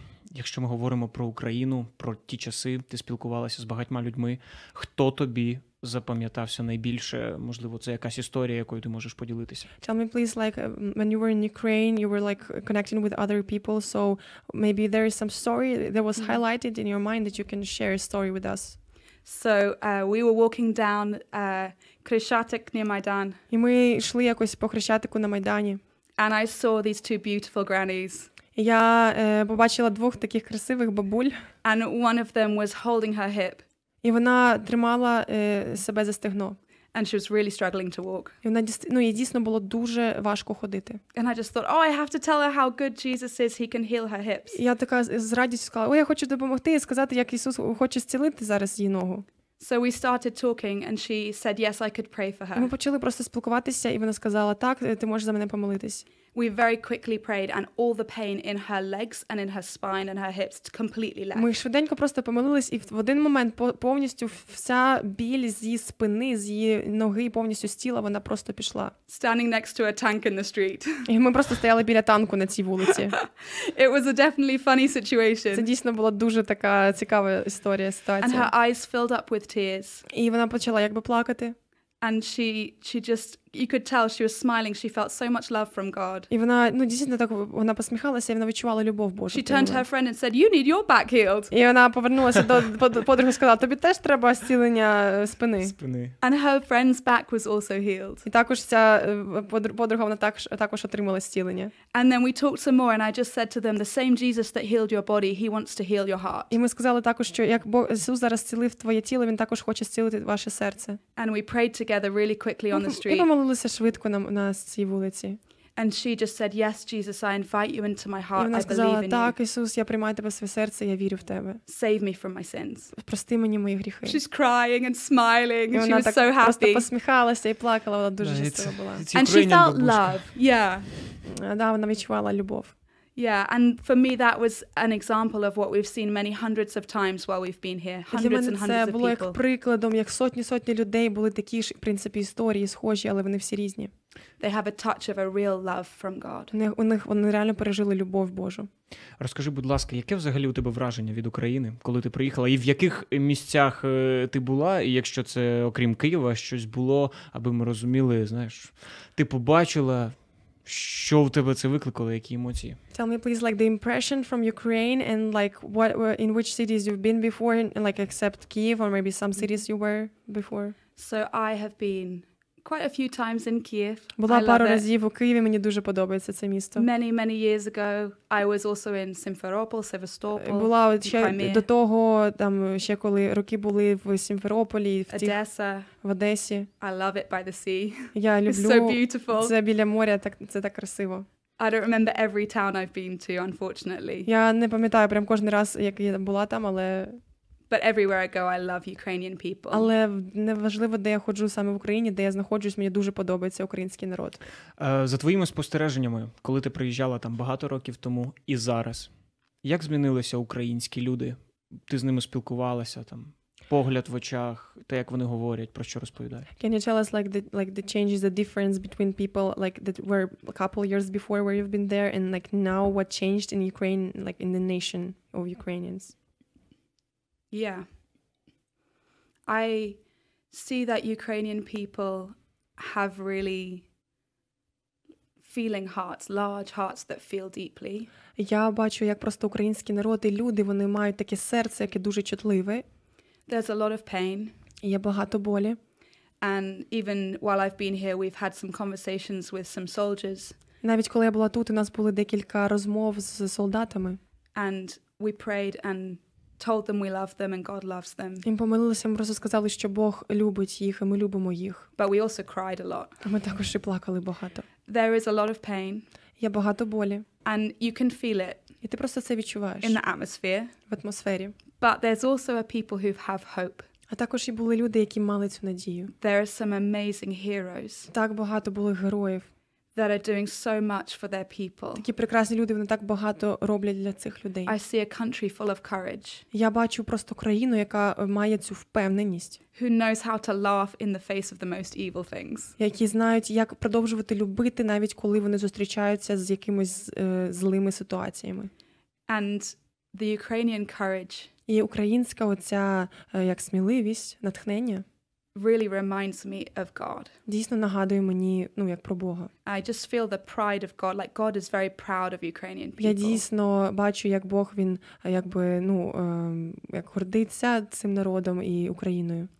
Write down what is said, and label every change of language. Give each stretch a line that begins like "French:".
Ukrainian: Якщо ми говоримо про Україну, про ті часи, ти спілкувалася з багатьма людьми, хто тобі запам'ятався найбільше? Можливо, це якась історія, якою ти можеш поділитися?
English: Tell me, please, like, when you were in Ukraine, you were, like, connecting with other people, so maybe there is some story that was highlighted in your mind that you can share a story with us. So, we were walking down Khreshchatyk near Maidan.
Ukrainian: І ми йшли якось по Хрещатику на Майдані.
English: And I saw these two beautiful grannies.
Ukrainian: Я побачила двох таких красивих бабуль.
English: And one of them was holding her hip.
Ukrainian: І вона тримала себе за стегно.
English: And she was really struggling to walk.
Ukrainian: І вона їй дійсно було дуже важко ходити.
English: And I just thought, oh, I have to tell her how good Jesus is. He can heal her hips.
Ukrainian: Я така з радістю сказала: "Ой, я хочу допомогти і сказати, як Ісус хоче зцілити зараз її ногу".
English: So we started talking and she said, "Yes, I could pray for her".
Ukrainian: Ми почали просто спілкуватися, і вона сказала: "Так, ти можеш за мене помолитись".
English: We very quickly prayed and all the pain in her legs and in her spine and her hips completely left.
Ukrainian: Ми швиденько просто помолились, і в один момент повністю вся біль з її спини, з її ноги, повністю з тіла, вона просто пішла.
English: Standing next to a tank in the street.
Ukrainian: І ми просто стояли біля танку на цій вулиці.
English: It was a definitely funny situation.
Ukrainian: Це дійсно була дуже така цікава історія, ситуація.
English: And her eyes filled up with tears.
Ukrainian: І вона почала якби плакати.
English: And she just, you could tell she was smiling, she felt so much love from God.
Ukrainian: І вона, дійсно так, вона посміхалася, і вона відчувала любов Божу.
English: She turned to her friend and said, "You need your back healed".
Ukrainian: І вона повернулася до подруги і сказала: "Тобі теж треба зцілення спини". Спини.
English: And her friend's back was also healed.
Ukrainian: І також ця подруга, вона також отримала зцілення.
English: And then we talked some more and I just said to them, "The same Jesus that healed your body, he wants to heal your heart".
Ukrainian: І ми сказали також, що як Бог Ісус зараз зцілив твоє тіло, він також хоче зцілити ваше серце.
English: And we prayed together really quickly on the street.
Ukrainian: Молилися швидко на цій вулиці.
English: And she just said, "Yes, Jesus, I invite you into my heart.
Ukrainian: І вона сказала: "Так, Ісус,
English: you.
Ukrainian: Я приймаю тебе в своє серце, я вірю в тебе.
English: Save me from my sins".
Ukrainian: Прости мені мої гріхи.
English: She's crying and smiling.
Ukrainian: І
English: she was so happy.
Ukrainian: Вона так просто посміхалася і плакала, вона дуже щаслива була.
English: And she felt love. Yeah.
Ukrainian: Да, вона відчувала любов.
English: Yeah, and for me that was an example of what we've seen many hundreds of times while we've been here. Hundreds and hundreds of people.
Ukrainian: Це було як прикладом, як сотні людей були такі ж, в принципі, історії схожі, але вони всі різні.
English: They have a touch of a real love from God.
Ukrainian: Вони реально пережили любов Божу. Розкажи, будь ласка, яке взагалі у тебе враження від України, коли ти приїхала, і в яких місцях ти була, і якщо це окрім Києва щось було, аби ми розуміли, знаєш, ти побачила. Що в тебе це викликало, які емоції?
English: Tell me, please, like, the impression from Ukraine and, like, what in which cities you've been before, like, except Kyiv or maybe some cities you were before? So I have been quite a few times in Kyiv.
Ukrainian: Була
English: I
Ukrainian: пару разів у Києві, мені дуже подобається це місто.
English: Many, many years ago, I was also in Simferopol.
Ukrainian: Була ще до того, там, ще коли роки були в Сімферополі, в Одесі.
English: I love it by the sea.
Ukrainian: Я люблю.
English: It's so beautiful.
Ukrainian: Це біля моря, так, це так красиво.
English: I don't remember every town I've been to, unfortunately.
Ukrainian: Я не пам'ятаю прям кожен раз, як я була там, але...
English: But everywhere I go, I love Ukrainian people.
Ukrainian: Але неважливо, де я ходжу саме в Україні, де я знаходжусь, мені дуже подобається український народ. За твоїми спостереженнями, коли ти приїжджала там багато років тому і зараз, як змінилися українські люди? Ти з ними спілкувалася там? Погляд в очах, те, як вони говорять, про що розповідають.
English: Can you tell us like the changes, the difference between people like that were a couple years before where you've been there and like now what changed in Ukraine, like in the nation of Ukrainians? Yeah. I see that Ukrainian people have really feeling hearts, large hearts that feel deeply.
Ukrainian: Я бачу, як просто український народ і люди, вони мають таке серце, яке дуже чутливе.
English: There's a lot of pain.
Ukrainian: Є багато болі.
English: And even while I've been here, we've had some conversations with some soldiers.
Ukrainian: Навіть коли я була тут, у нас були декілька розмов з солдатами.
English: And we prayed and told them we love them and God loves them.
Ukrainian: Ми помолилися, ми просто сказали, що Бог любить їх, і ми любимо їх.
English: But we also cried a lot.
Ukrainian: Ми також і плакали багато.
English: There is a lot of pain.
Ukrainian: Є багато болі.
English: And you can feel it.
Ukrainian: І ти просто це відчуваєш.
English: In the atmosphere.
Ukrainian: В атмосфері.
English: But there's also a people who have hope.
Ukrainian: А також і були люди, які мали цю надію.
English: There are some amazing heroes.
Ukrainian: Так багато було героїв.
English: That are doing so much for their people.
Ukrainian: Такі прекрасні люди, вони так багато роблять для цих людей.
English: I see a country full of courage.
Ukrainian: Я бачу просто країну, яка має цю впевненість.
English: Who knows how to laugh in the face of the most evil things.
Ukrainian: Які знають, як продовжувати любити, навіть коли вони зустрічаються з якимись злими ситуаціями.
English: and the Ukrainian courage.
Ukrainian: І українська оця як сміливість, натхнення.
English: Really reminds me of God.
Ukrainian: Дійсно нагадує мені, ну, як про Бога.
English: I just feel the pride of God, like God is very proud of Ukrainian people.
Ukrainian: Я дійсно бачу, як Бог, він якби, ну, як гордиться цим народом і Україною.